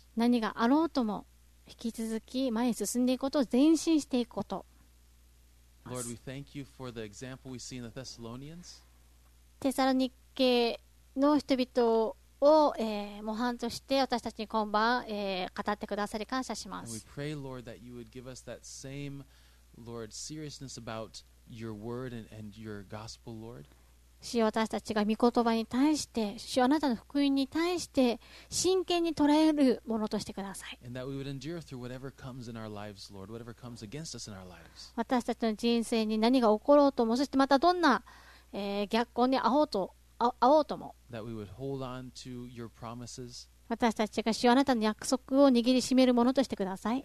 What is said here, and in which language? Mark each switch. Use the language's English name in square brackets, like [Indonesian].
[Japanese] 何があろうとも引き続き前に進んでいくこと、前進していくこと。 [English] Lord, we thank you for the example we see in the Thessalonians. [Japanese] テサロニケの人々を、模範として私たちに今晩、語ってくださり感謝します。 [English] And we pray, Lord, that you would give us that same, Lord, seriousness about your word and your gospel, Lord. [Japanese] 主よ、私たちが御言葉に対して、主よ、あなたの福音に対して真剣に捉えるものとしてください。私たちの人生に何が起ころうとも、そしてまたどんな、逆光に会おうとも、私たちが主よ、あなたの約束を握りしめるものとしてください。